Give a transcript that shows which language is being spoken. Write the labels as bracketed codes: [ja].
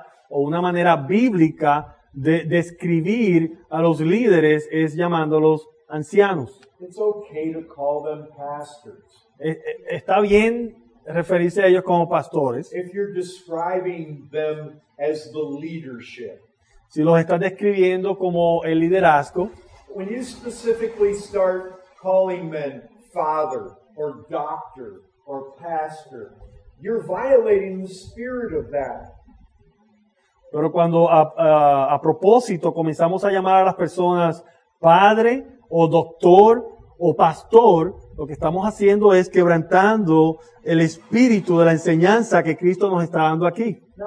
[es] Una manera bíblica de describir a los líderes es llamándolos ancianos. [en] It's okay to call them pastors. [es] Está bien referirse a ellos como pastores. [en] If you're describing them as the leadership. [es] Si los estás describiendo como el liderazgo. [en] When you specifically start calling men father or doctor or pastor, you're violating the spirit of that. [es] Pero cuando a propósito comenzamos a llamar a las personas padre o doctor o pastor, lo que estamos haciendo es quebrantando el espíritu de la enseñanza que Cristo nos está dando aquí.